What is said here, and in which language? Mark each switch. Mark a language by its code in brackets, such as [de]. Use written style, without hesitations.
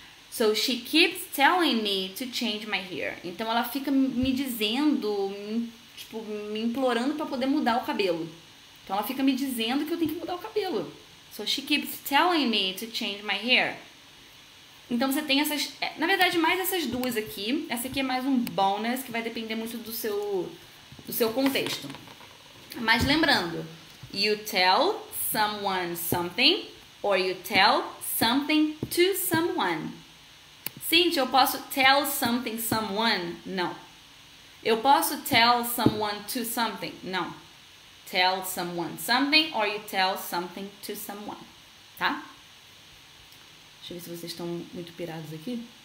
[en] So she keeps telling me to change my hair. [pt] Então ela fica me dizendo, tipo, me implorando para poder mudar o cabelo. Então ela fica me dizendo que eu tenho que mudar o cabelo. [en] So she keeps telling me to change my hair. [pt] Então você tem essas, na verdade, mais essas duas aqui. Essa aqui é mais um bônus que vai depender muito do seu contexto. Mas lembrando, [en] you tell someone something or you tell something to someone. [pt] Cintia, eu posso tell something someone? Não. Eu posso tell someone to something? Não. [en] Tell someone something or you tell something to someone. [pt] Tá? Deixa eu ver se vocês estão muito pirados aqui.